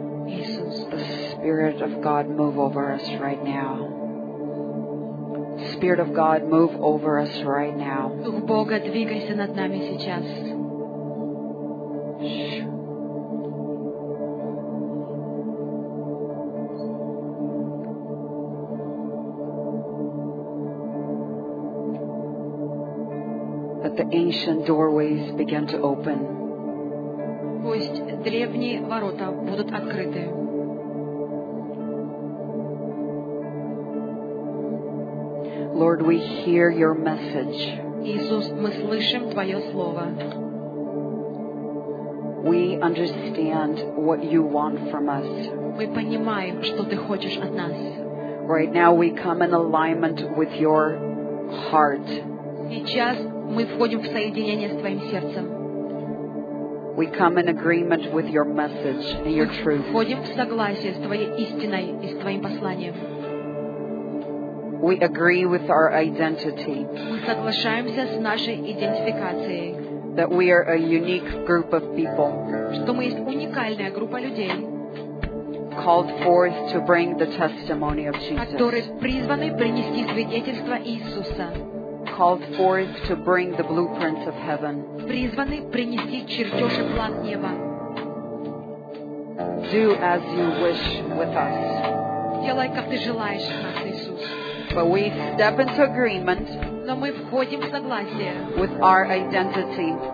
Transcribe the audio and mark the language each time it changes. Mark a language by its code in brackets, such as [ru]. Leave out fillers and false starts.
[en] The Spirit of God move over us right now. Spirit of God move over us right now. [ru] Дух Бога, двигайся над нами сейчас. [en] Let the ancient doorways begin to open. [ru] Пусть древние ворота будут открыты. [en] Lord, we hear your message. [ru] Иисус, мы слышим твое слово. [en] We understand what you want from us. [ru] Мы понимаем, что ты хочешь от нас. [en] Right now we come in alignment with your heart. [ru] Сейчас мы входим в соединение с твоим сердцем. [en] We come in agreement with your message and your truth. [ru] Мы входим в согласие с твоей истиной и с твоим посланием. [en] We agree with our identity. [ru] Мы соглашаемся с нашей идентификацией. [en] That we are a unique group of people. [ru] Что мы есть уникальная группа людей. [en] Called forth to bring the testimony of Jesus. [ru] Которые призваны принести свидетельство Иисуса. [en] Called forth to bring the blueprints of heaven. [ru] Призваны принести чертеж и план неба. [en] Do as you wish with us. [ru] Делай, как ты желаешь с нас, Иисус. [en] But we step into agreement. [ru] Но мы входим в согласие. [en] With our identity.